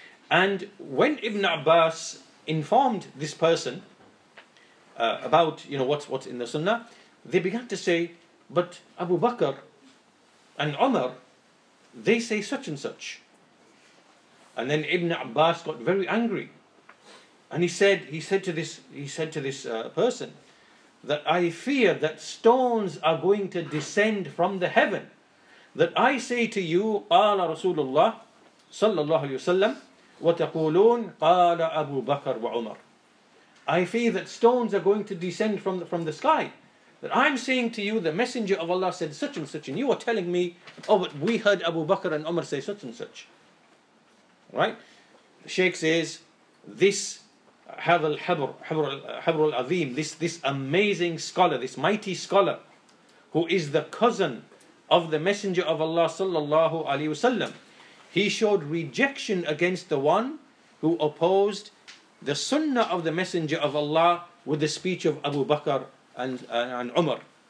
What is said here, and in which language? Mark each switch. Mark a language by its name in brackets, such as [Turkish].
[English] And when Ibn Abbas informed this person about, you know, what's in the Sunnah, they began to say, but Abu Bakr and Umar, they say such and such. And then Ibn Abbas got very angry. And he said to this person that I fear that stones are going to descend from the heaven. [Arabic] That I say to you, قَالَ رَسُولُ اللَّهِ صَلَّى اللَّهُ عَلَيْهِ وَسَلَّمُ وَتَقُولُونَ قَالَ أَبُو بَكَرُ وَعُمَرُ. [English] I fear that stones are going to descend from the sky. That I'm saying to you, the Messenger of Allah said such and such, and you are telling me, oh, but we heard Abu Bakr and Umar say such and such. Right? The Shaykh says, this [Arabic] هذا الحبر, حبر العظيم, [English] this amazing scholar, this mighty scholar, who is the cousin of the Messenger of Allah sallallahu alayhi wasallam, he showed rejection against the one who opposed the sunnah of the Messenger of Allah with the speech of Abu Bakr and Umar.